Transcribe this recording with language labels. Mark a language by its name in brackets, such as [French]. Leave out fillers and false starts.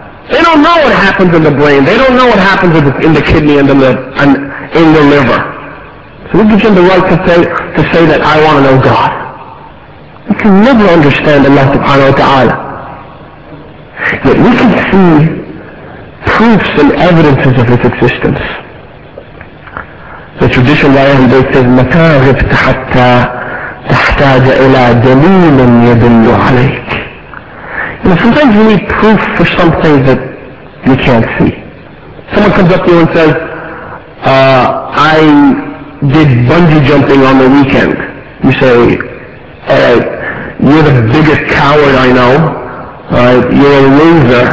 [English] They don't know what happens in the brain. They don't know what happens in the kidney and in the liver. So who gives them the right to say that I want to know God? We can never understand Allah subhanahu wa ta'ala. Yet we can see proofs and evidences of His existence. The tradition of Ayah al-Bayt says, [Arabic] مَتَا غِبْتَ حَتَّى تَحْتَاجَ إِلَىٰ دَلِيلٍ يَدِلُّ عَلَيْكَ. [English] You know, sometimes you need proof for something that you can't see. Someone comes up to you and says, I did bungee jumping on the weekend. You say, alright, you're the biggest coward I know. You're a loser.